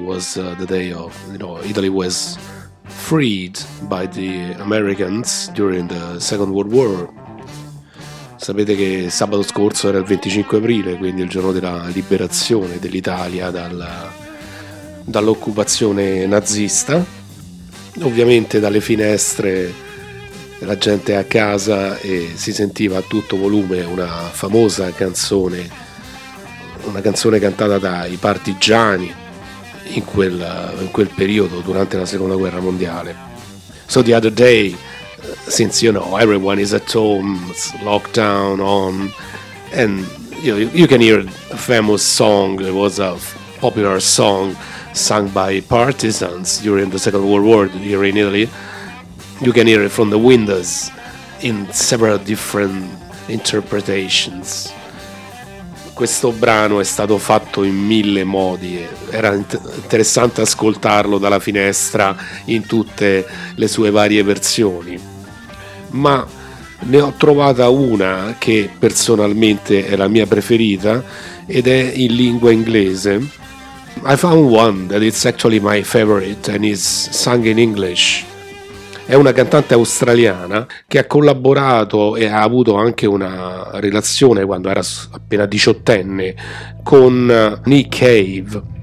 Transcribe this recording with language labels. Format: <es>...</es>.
<en>Was the day of, you know, Italy was freed by the Americans during the Second World War.</en> <it>Sapete che sabato scorso era il 25 aprile, quindi il giorno della liberazione dell'Italia dall'occupazione nazista. Ovviamente dalle finestre la gente a casa e si sentiva a tutto volume una famosa canzone, una canzone cantata dai partigiani in quel periodo durante la Seconda Guerra Mondiale.</it> <en>So the other day, since you know everyone is at home, lockdown on, and you can hear a famous song. It was a popular song sung by partisans during the Second World War here in Italy. You can hear it from the windows in several different interpretations.</en> <it>Questo brano è stato fatto in mille modi, era interessante ascoltarlo dalla finestra in tutte le sue varie versioni, ma ne ho trovata una che personalmente è la mia preferita ed è in lingua inglese.</it> <en>I found one that is actually my favorite and is sung in English.</en> <it>È una cantante australiana che ha collaborato e ha avuto anche una relazione quando era appena diciottenne con Nick Cave.</it>